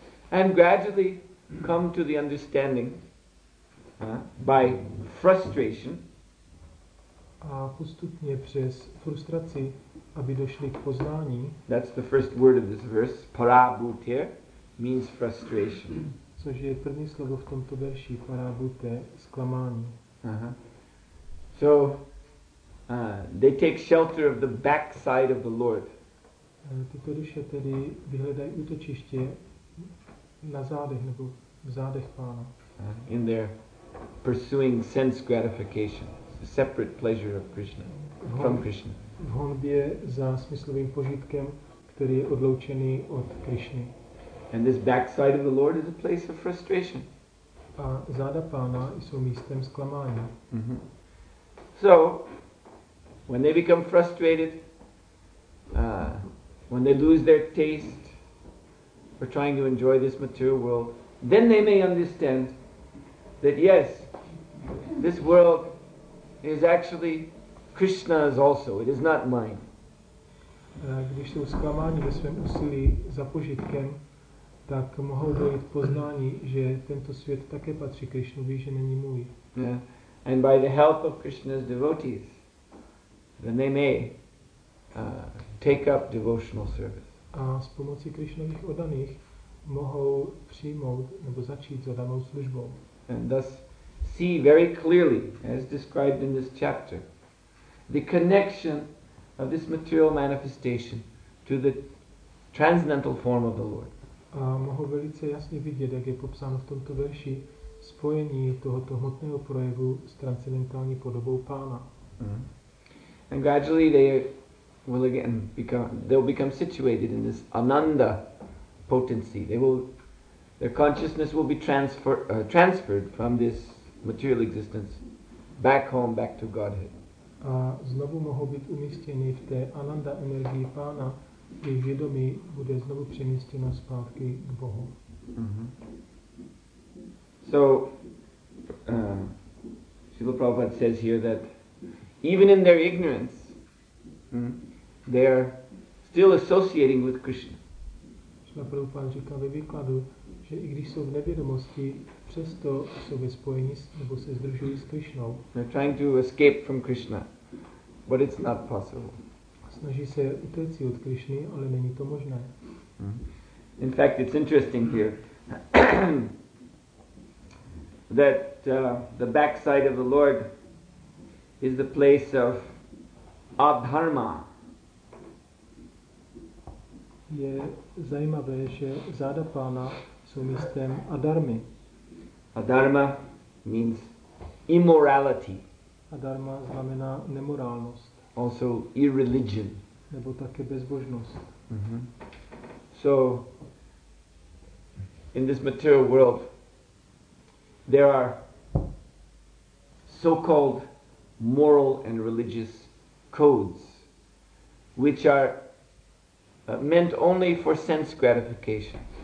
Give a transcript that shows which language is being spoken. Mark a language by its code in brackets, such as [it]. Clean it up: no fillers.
[en] And gradually come to the understanding by frustration. [cs] A postupně přes frustraci, aby došli k poznání. [en] That's the first word of this verse. Parabhute means frustration. [cs] Což je první slovo v tomto verši. Parabhute, zklamání. [en] So they take shelter of the backside of the Lord. [cs] Tyto duše tedy vyhledají útočiště na zádech nebo v zádech Pána. [en] In their pursuing sense gratification, a separate pleasure of Krishna, from Krishna. [cs] V honbě za smyslovým požitkem, který je odloučený od Krishny. [en] And this backside of the Lord is a place of frustration. [cs] A záda Pána jsou místem zklamání. [en] So when they become frustrated, when they lose their taste for trying to enjoy this material world, then they may understand that yes, this world is actually Krishna's also, it is not mine. [cs] Když jsou zklamáni ve svém úsilí za požitkem, tak mohou dojít poznání, že tento svět také patří Krishnovi, že není můj. [en] And by the help of Krishna's devotees, then they may take up devotional service. [cs] A s pomocí Krishnových oddaných mohou přijmout nebo začít zadanou službou. [en] And thus see very clearly, as described in this chapter, the connection of this material manifestation to the transcendental form of the Lord. [cs] A mohu velice jasně vidět, jak je popsáno v tomto verši, spojení tohoto hmotného projevu s transcendentální podobou Pána. Mm-hmm. [en] And gradually they will again become, they'll become situated in this Ananda potency. They will, their consciousness will be transferred from this material existence back home, back to Godhead. [cs] A znovu mohou být umístěny v té Ananda energii Pána, jejich vědomí bude znovu přemístěno zpátky k Bohu. Mm-hmm. [en] So, Srila Prabhupada says here that even in their ignorance, they are still associating with Krishna. [cs] Srila Prabhupada říká ve výkladu, že i když jsou v nevědomosti, přesto jsou ve spojení nebo se sdružují s Krishnou. [en] They're trying to escape from Krishna, but it's not possible. [cs] Snaží se utéct od Krishny, ale není to možné. Mm-hmm. [en] In fact, it's interesting here. That the backside of the Lord is the place of adharma. [cs] Je zajímavé, že záda Pána jsou místem adharmy. [en] Adharma means immorality. [cs] Adharma znamená nemorálnost. [en] Also irreligion. [cs] Nebo také bezbožnost. Mm-hmm. [en] So in this material world, there are so-called moral and religious codes, which are meant only for sense gratification.